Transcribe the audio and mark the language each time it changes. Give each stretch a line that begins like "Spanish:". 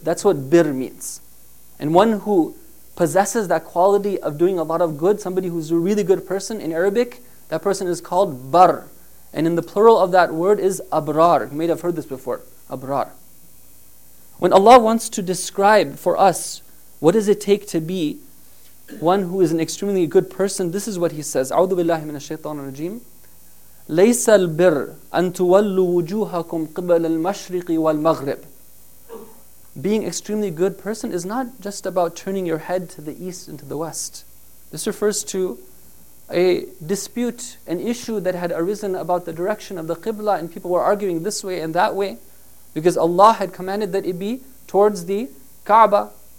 English: That's what birr means. And one who possesses that quality of doing a lot of good, somebody who's a really good person, in Arabic, that person is called barr. And in the plural of that word is abrar. You may have heard this before, abrar. When Allah wants to describe for us what does it take to be one who is an extremely good person, this is what he says.
Arabic: أعوذ بالله من الشيطان الرجيم. ليس البر أن تولوا وجوهكم قبل المشرق والمغرب.
English: Being extremely good person is not just about turning your head to the east and to the west. This refers to a dispute, an issue that had arisen about the direction of the Qibla, and people were arguing this way and that way because Allah had commanded that it be towards the Kaaba.